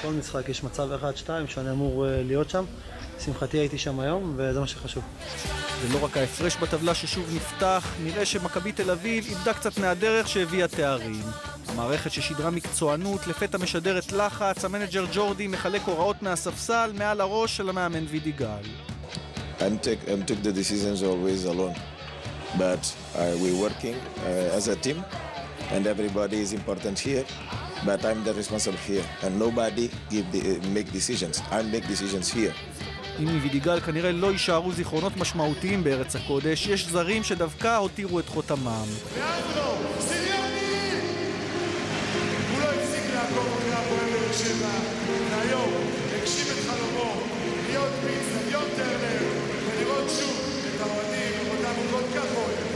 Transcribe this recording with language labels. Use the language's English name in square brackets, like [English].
[Hebrew] כל משחק יש מצב 1-2 שאני אמור להיות שם. שמחתי הייתי שם היום, וזה מה שחשוב. זה לא רק ההפרש בטבלה ששוב נפתח, נראה שמכבי תל אביב איבדה קצת מהדרך שהביאה תארים. המערכת ששידרה מקצוענות, לפתע משדרת לחץ, המנג'ר ג'ורדי מחלק הוראות מהספסל מעל הראש של המאמן וידיגל. [English] I'm taking the decisions always alone, but we working as a team, and everybody is important here, but I'm the responsible here, and nobody make decisions. I make decisions here. [Hebrew] אם מוידיגל כנראה לא יישארו זיכרונות משמעותיים בארץ הקודש, יש זרים שדווקא הותירו את חותמם. ואנדרו, סיליוני! הוא לא הפסיק לעקוב אחרי הפועל באר שבע, והיום הגשים את חלומו להיות באצטדיון טרנר ולראות שוב את האוהדים ואותם עוד כחול.